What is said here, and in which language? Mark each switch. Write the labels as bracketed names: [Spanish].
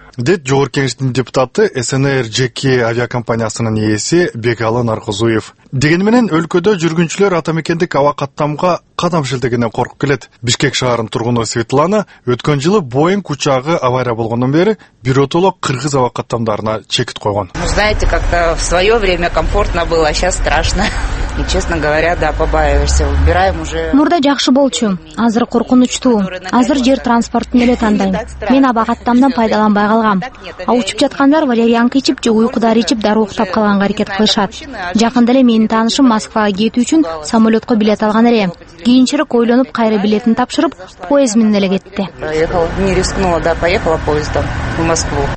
[Kyrgyz] Дет Жогорку Кеңештин депутаты СНР жеке авиакомпаниясынын ээси Бегалы Наргозуев. Деген менен өлкөдө жүргүнчүлөр атамекендик аба каттамга кадам шилтегенден коркуп келет. Бишкек шаарынын тургуну Светлана өткөн жылы Боинг учагы авария болгондон бери биротоло кыргыз аба каттамдарына чекит койгон. [Russian] Ну, знаете, как-то в своё время комфортно было, а сейчас страшно. И честно говоря, да, побаиваешься. Убираем уже. [Kyrgyz] Мурда жакшы болчу. Азыр коркунучтуу. Азыр жер транспортун эле тандайм. Мен аба каттамдан пайдаланбай калгам. А учуп жаткандар валерьянка ичип же уйкудар ичип дары уктап калганга аракет кылышат. Жакында эле менин таанышым Москвага кетүү үчүн самолетко билет алган эле. Кийинчерээк ойлонуп кайра билетин тапшырып, поезд менен эле кетти. [Russian] Поехала, не рискнула, да, поехала поездом в Москву.